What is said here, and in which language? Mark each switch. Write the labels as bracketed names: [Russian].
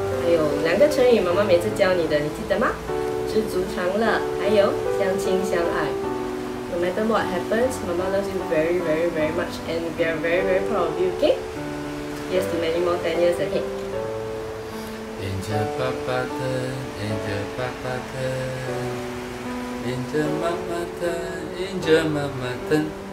[Chinese] 还有两个成语，妈妈每次教你的，你记得吗？知足常乐，还有相亲相爱。 [English] No matter what happens， 妈妈 loves you very very very much， and we are very very proud of you. Okay? Yes, to many more 10 years ahead. [Chinese] 迎着爸爸的，迎着爸爸的。迎着妈妈疼，迎着妈妈疼。